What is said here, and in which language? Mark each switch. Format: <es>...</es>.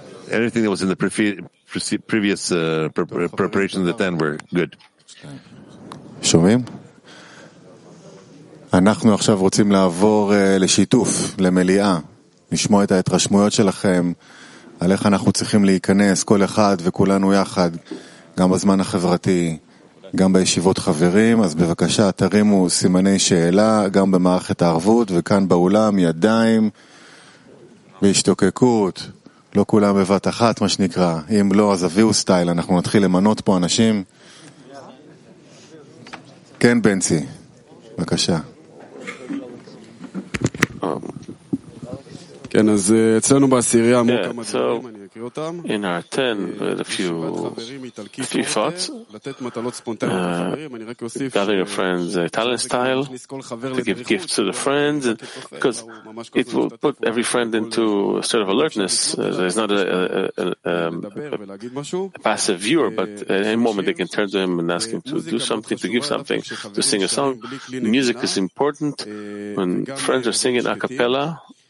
<en>Everything that was in the previous preparation of the 10 were good.</en> <he>שומעים? אנחנו עכשיו רוצים לעבור לשיתוף, למליאה, לשמוע את ההתרשמויות שלכם, על איך אנחנו צריכים להיכנס כל אחד וכולנו יחד, גם בזמן החברתי, גם בישיבות חברים, אז בבקשה תרימו סימני שאלה, גם במערכת הערבות וכאן באולם, ידיים, בהשתוקקות, לא כולם בבת אחת מה שנקרא, אם לא אז אביו סטייל, אנחנו נתחיל למנות פה אנשים. כן, בנצי, בבקשה. כן, אז אצלנו בעשירייה אמרו כמה דברים, אני אקריא אותם.</he> <en>In our 10, a few thoughts.</en> <he>לתת מטלות ספונטניות לחברים, אני רק אוסיף.</he> <en>Gathering of friends, Italian style, to give gifts to the friends, because it will put every friend into a sort of alertness. There's not a passive viewer, but at any moment they can turn to him and ask him to do something, to give something, to sing a song. Music is important. When friends are singing a cappella,</en>